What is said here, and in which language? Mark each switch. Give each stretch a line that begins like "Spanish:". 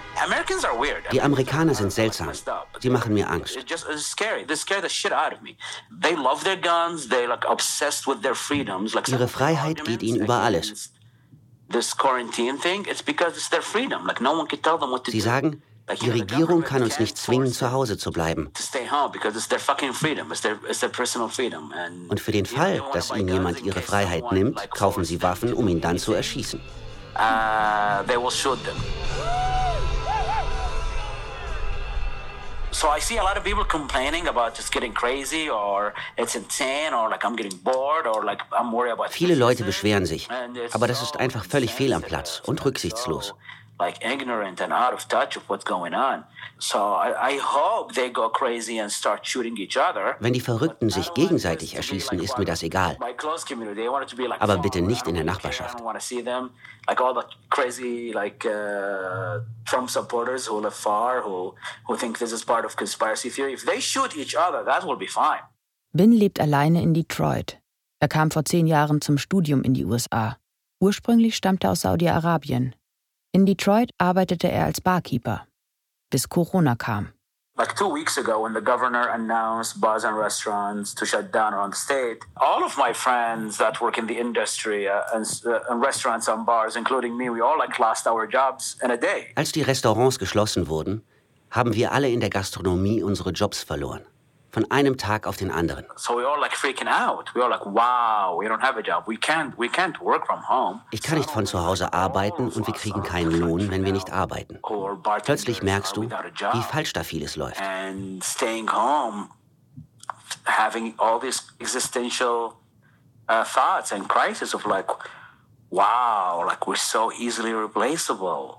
English: Americans are weird.
German: Die Amerikaner sind seltsam. Sie machen mir Angst.
English: It's just scary. They scare the shit out of me. They love their guns. They like obsessed with their freedoms. Like
German: ihre Freiheit geht ihnen über alles.
English: This quarantine thing, it's because it's their freedom. Like no one can tell them what to do.
German: Sie sagen, die Regierung kann uns nicht zwingen, zu Hause zu bleiben.
English: To stay home because it's their fucking freedom. It's their personal freedom.
German: Und für den Fall, dass ihnen jemand ihre Freiheit nimmt, kaufen sie Waffen, um ihn dann zu erschießen.
English: They will shoot them. So I see a lot of people complaining about just getting crazy or it's insane or like I'm getting bored or like I'm worried about.
German: Viele Leute beschweren sich, aber das ist einfach völlig fehl am Platz und rücksichtslos.
English: Like ignorant and out of touch with what's going on. So I hope they go crazy and start shooting each other.
German: Wenn die Verrückten sich gegenseitig erschießen, ist mir das egal. Aber bitte nicht in der Nachbarschaft.
English: I don't want to see them like all the crazy like Trump supporters who live far, who think this is part of conspiracy theory. If they shoot each other, that will be fine.
German: Ben lebt alleine in Detroit. Er kam vor 10 Jahren zum Studium in die USA. Ursprünglich stammte er aus Saudi-Arabien. In Detroit arbeitete er als Barkeeper, bis Corona kam.
English: Like 2 weeks ago, when the governor announced bars and restaurants to shut down around the state, all of my friends that work in the industry and restaurants and bars, including me, we all like lost our jobs in a day.
German: Als die Restaurants geschlossen wurden, haben wir alle in der Gastronomie unsere Jobs verloren. Von einem Tag auf den anderen.
English: So we all like freaking out. We all like, wow, we don't have a job. We can't work from home.
German: Ich kann nicht von zu Hause arbeiten und wir kriegen keinen Lohn, wenn wir nicht arbeiten. Plötzlich merkst du, wie falsch da vieles läuft.
English: And staying home, having all these existential thoughts and crisis of like, wow, like we're so easily replaceable.